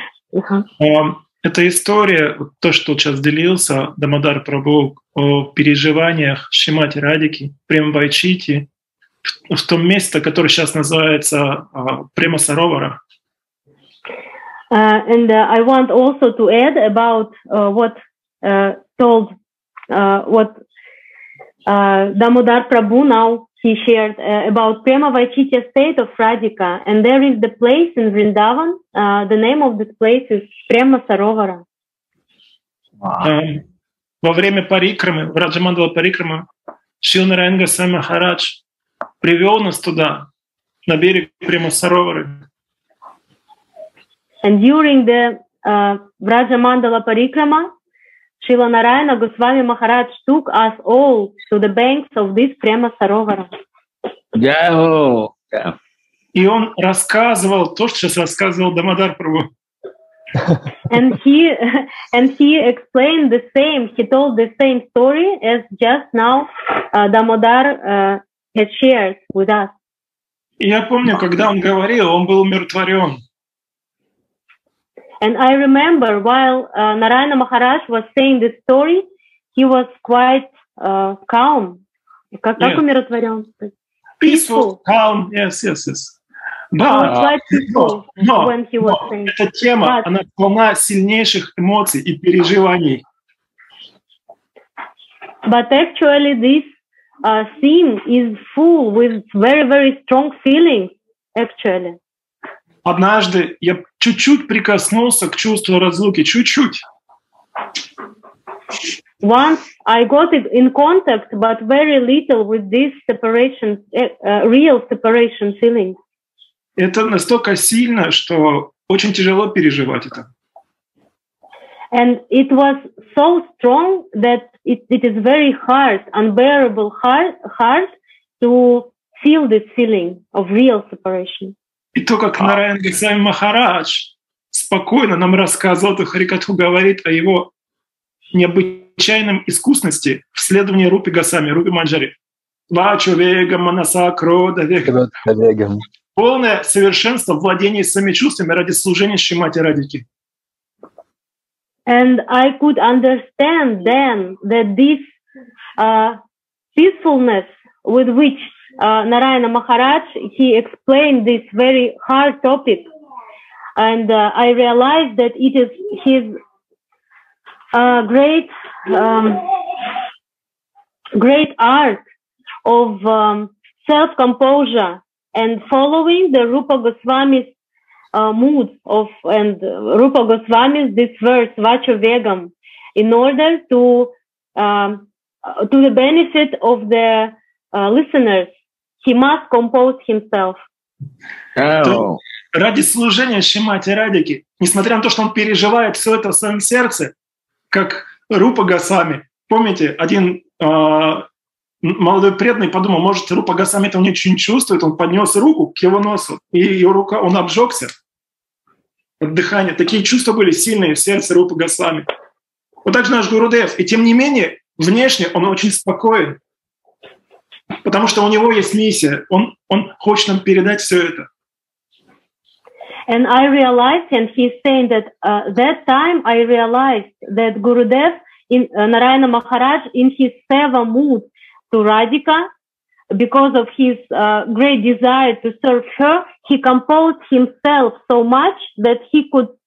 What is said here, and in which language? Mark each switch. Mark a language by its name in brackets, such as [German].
[Russian] Это история, то, что сейчас делился Дамодар Прабху о переживаниях Шримати Радики, Прем Вайчити, в том месте, которое сейчас называется Према Саровара. [English] And I want also to add about what told what Damodar Prabhu now he shared about Prema Vaichitya state of Radhika, and there is the place in Vrindavan. The name of this place is Prema Sarovara. [Russian] Во время парикрамы, в Раджамандала парикрама, Шрила Нараян Госвами Махарадж привел нас туда, на берег Према Саровары. [English] And during the Raja Mandala Parikrama, Srila Narayana Goswami Maharaj took us all to the banks of this Prema Sarovara. Yeah. [Russian] И он рассказывал то, что сейчас рассказывал Дамодар Прабху. [English] And he explained the same. He told the same story as just now Дамодар has shared with us. [Russian] Я помню, когда он говорил, он был умиротворен. [English] And I remember while Narayana Maharaj was saying this story, he was quite calm. [Russian] Как умиротворен? [English] Peaceful, calm. Yes. But he was quite peaceful when he was saying. [Russian] Эта тема, она полна сильнейших эмоций и переживаний. [English] But actually, this theme is full with very, very strong feelings, actually. [Russian] Однажды я чуть-чуть прикоснулся к чувству разлуки, чуть-чуть. [English] Once I got it in contact, but very little with this separation, real separation feeling. [Russian] Это настолько сильно, что очень тяжело переживать это. [English] And it was so strong that it is very hard, unbearable hard to feel this feeling of real separation. [Russian] И то, как Нараян Госвами Махарадж спокойно нам рассказывал эту харикатху, говорит о его необычайном искусности в следовании Рупи Госвами, Рупи Манджари. [Sanskrit] Вачу вегам, манаса, крода вегам. [Russian] Полное совершенство владения своими чувствами ради служения Шримати Радике. [English] And I could understand then that this peacefulness with which Narayana Maharaj, he explained this very hard topic, and I realized that it is his great art of self-composure and following the Rupa Goswami's mood of and Rupa Goswami's this verse Vacha Vegam, in order to the benefit of the listeners, he must compose himself. [Russian] Ради служения Шримати Радике, несмотря на то, что он переживает все это в своем сердце, как Рупа Госвами. Помните, один молодой преданный подумал, может, Рупа Госвами это ничего не чувствует, он поднес руку к его носу, и его рука, он обжегся от дыхания. Такие чувства были сильные в сердце Рупа Госвами. Вот так же наш Гурудев. И тем не менее, внешне он очень спокоен, потому что у него есть миссия, он хочет нам передать все это. [English] And I realized, and he's saying that that time I realized that Gurudev in Narayana Maharaj in his seva mood to Radhika, because of his great desire to serve her, he composed himself so much that he could